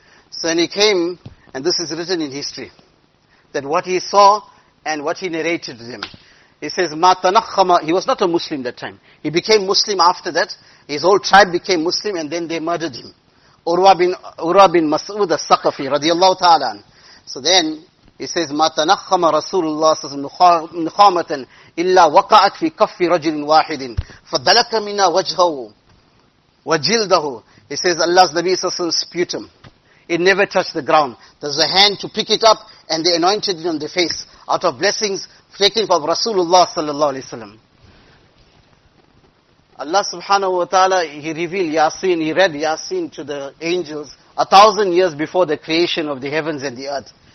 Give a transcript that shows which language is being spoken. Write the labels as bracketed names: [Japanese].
[English] So when he came, and this is written in history, that what he saw and what he narrated to them. He says, [Arabic] Ma tanakhama, [English] he was not a Muslim that time. He became Muslim after that. His whole tribe became Muslim and then they murdered him. Urwa bin Mas'ud As-Saqafi radiallahu ta'ala. [Arabic] So then he says, مَا تَنَخَّمَ رَسُولُ اللَّهِ صَلَّى اللَّهُ عَلَيْهِ وَسَلَّمَ نُخَامَةً إِلَّا وَقَعَتْ فِي كَفِّ رَجُلٍ وَاحِدٍ فَدَلَكَ مِنَا وَجْهَهُ وَجِلْدَهُ. [English] He says, Allah's Nabi Sallallahu Alaihi Wasallam sputum. It never touched the ground. There's a hand to pick it up and they anointed it on the face out of blessings taken from Rasulullah Sallallahu Alaihi Wasallam. Allah Subhanahu Wa Ta'ala, He revealed Yasin, He read Yasin to the angels 1,000 years before the creation of the heavens and the earth.